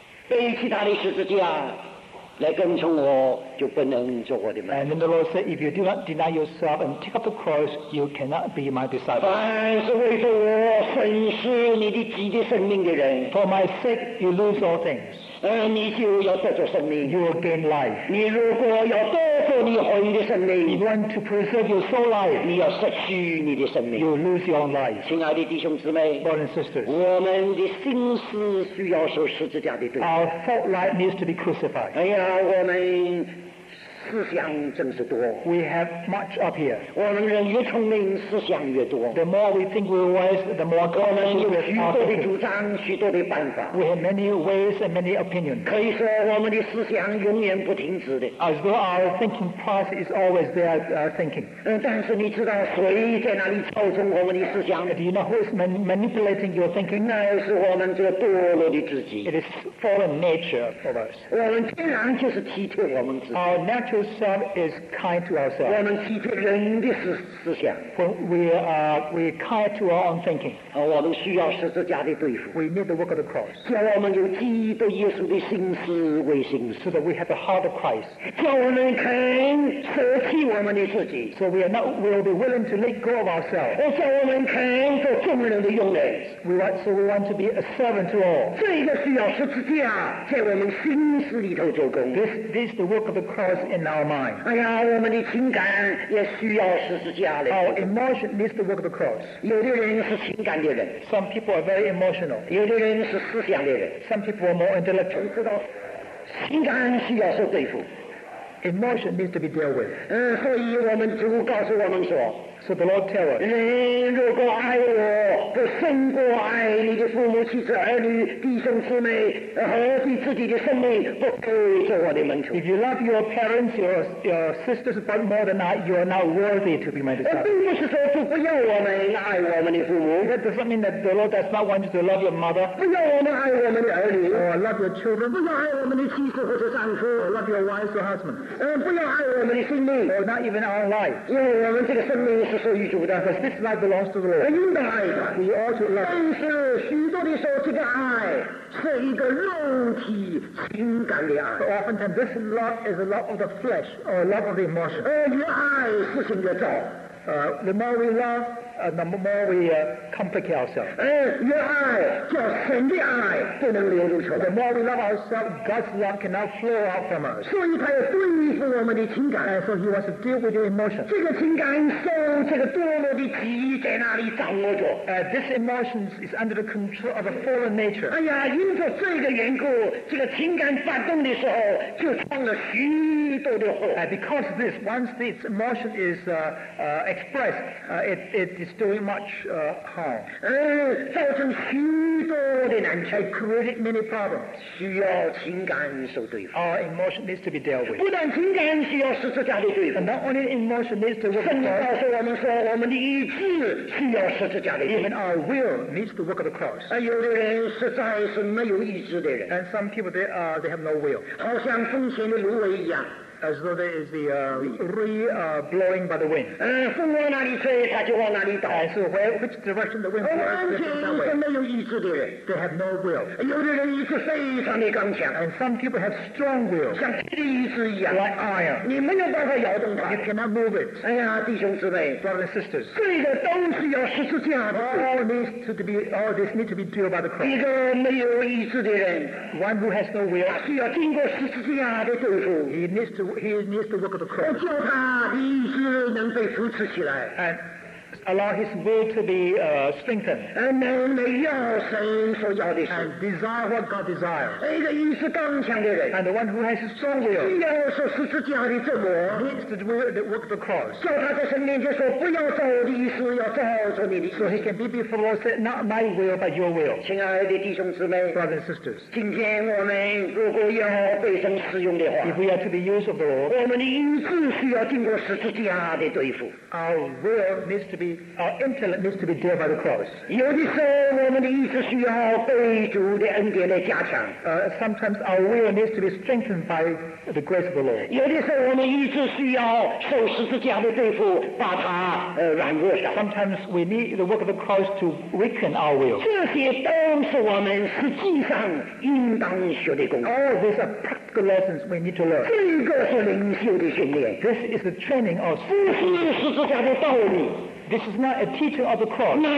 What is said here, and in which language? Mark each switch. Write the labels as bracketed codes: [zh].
[zh] 非其他的十字架来跟从我就不能做我的门。 [en] And then the Lord said, if you do not deny yourself and take up the cross, you cannot be my disciple. [zh] 凡是为着我损失你的自己生命的人 [en] ，For my sake, you lose all things. [zh] 你就要得着生命 [en] ，You will gain life. [zh] 你如果要多做你好的生命 [en] ，You want to preserve your soul life. [zh] 你要失去你的生命 [en] ，You lose your own life. [zh] 亲爱的弟兄姊妹 [en] ，Brothers and sisters, [zh] 我们的心思需要受十字架的对。 [en] Our thought life needs to be crucified. [zh] 哎呀，我们。思想真是多 [en] We have much up here [zh] 我们人越聪明思想越多 [en] The more we think we're wise The more confident we are [zh] 我们有许多的主张许多的办法 [en] We have many ways and many opinions [zh] 可以说我们的思想永远不停止的 [en] As though our thinking process is always there thinking [zh] 但是你知道谁在哪里操纵我们的思想 [en] Do you know who is manipulating your thinking [zh] 那是我们这个堕落的自己 [en] It is fallen nature of us [zh] 我们天然就是欺骗我们自己 [en] Our natural To self is kind to ourselves. [zh] 我们欺骗人的思想。 [en] When we are kind to our own thinking. [zh] 我们需要十字架的对付。 [en] We need the work of the cross. [zh] 叫我们有基督耶稣的心思为心思。 [en] So that we have the heart of Christ. [zh] 叫我们肯舍弃我们的自己。 [en] So we are not will be willing to let go of ourselves. [zh] 叫我们肯做众人的用人。 [en] We want to be a servant to all. [zh] 这个需要十字架在我们心思里头做工。 [en] This the work of the cross. In our mind. [zh] 哎呀，我们的情感也需要十字架的。 [en] Our emotion needs to work the cross. [zh] 有的人是情感的人。 [en] Some people are very emotional. [zh] 有的人是思想的人。 [en] Some people are more intellectual. [zh] 知道，情感需要受对付。 [en] Emotion needs to be dealt with. [zh] 所以我们主告诉我们说。 [en] So the Lord tells us. [zh] 人如果爱我，不胜过爱你的父母、妻子、儿女、弟兄姊妹，何必自己的生命不配做我的门徒 [en] ？If you love your parents, your sisters, but more than I, you are not worthy to be my disciple. [zh] 并不是说主不要我们爱我们的父母。 [en] That doesn't mean that the Lord does not want you to love your mother. [zh] 不要我们爱我们的儿女。 [en] Or love your children. [zh] 不要爱我们的妻子或者丈夫。 [en] Or love your wife or husband. [zh] 不要爱我们的生命。 [en] Or not even our life. [zh] 因为我们这个生命。是属于主的 [en] ，because this life belongs to the Lord. [zh] 应当爱的 [en] ，we ought to love. [zh] 但是许多的时候，这个爱是一个肉体情感的爱。 [en] So oftentimes this love is a love of the flesh or a love of the emotion. [zh] 越爱事情越糟。 [en] The more we love, the more we complicate ourselves. [zh] 越爱叫神的爱不能流露出来。 [en] The more we love ourselves, God's love cannot flow out from us. [zh] 所以他要对付我们的情感。 [en] And so he wants to deal with your emotion. [zh] 这个情感受这个堕落的体在哪里掌握着？ [en] This emotion is under the control of a fallen nature. [zh] 哎呀，因着这个缘故，这个情感发动的时候就创了许多的祸。 [en] Because of this, once this emotion is expressed, it is doing much harm. [zh] 造成许多的难处 [en] It created many problems. [zh] 需要情感受对付 [en] Our emotion needs to be dealt with. [zh] 不但情感需要十字架的对付 [en] And not only emotion needs to work. [zh] 圣经告诉我们说，我们的意志需要十字架的对付 [en] Even our will needs to work at the cross. [zh] 有的人实在是没有意志的人 [en] And some people they have no will. [zh] 好像风前的芦苇一样。 [en] As though there is the blowing by the wind. [zh] 风往哪里吹，它就往哪里倒。 [en] So which direction the wind blows? [zh] 完全是没有意志的人。 [en] They have no will. [zh] 有的人意志非常的刚强。 [en] And some people have strong will. [zh] 像铁的意志一样。 [en] Like iron. [zh] 你没有办法摇动它。 [en] You cannot move it. [zh] 哎呀，弟兄姊妹 [en] ，brothers and sisters， [zh] 这个都是要十字架的。 [en] All this need to be dealt by the cross. [zh] 一个没有意志的人 [en] ，one who has no will， [zh] 需要经过十字架的对付。 [en] He needs to work at the cross. [zh] 叫他的意志能被扶持起来。 [en] And allow his will to be strengthened. [zh] 能要神所要的事。 [en] And desire what God desires. [zh] 一个意志刚强的人。 [en] And the one who has a strong will. [zh] 需要受十字架的折磨。 [en] Needs to work at the cross. [zh] 叫他在神面前说，不要照我的意思，要照着你的。 [en] So he can be before the Lord said, not my will, but your will. [zh] 亲爱的弟兄姊妹。 [en] Brothers and sisters. [zh] 今天我们如果要被神使用的话。 [en] If we are to be used of the Lord. [zh] 我们的意志需要经过十字架的对付。 [en] Our will needs to be be, our intellect needs to be dear by the cross. [zh] 有的时候我们的意识需要被主的恩典来加强。 [en] Sometimes our will needs to be strengthened by the grace of the Lord. [zh] 有的时候我们意识需要受十字架的对付，把它软弱掉。 [en] Sometimes we need the work of the cross to weaken our will. [zh] 这些都是我们实际上应当学的功课。 [en] All these are practical lessons we need to learn. [zh] 这个是灵修的训练。 [en] This is the training of This is not a teaching of the cross.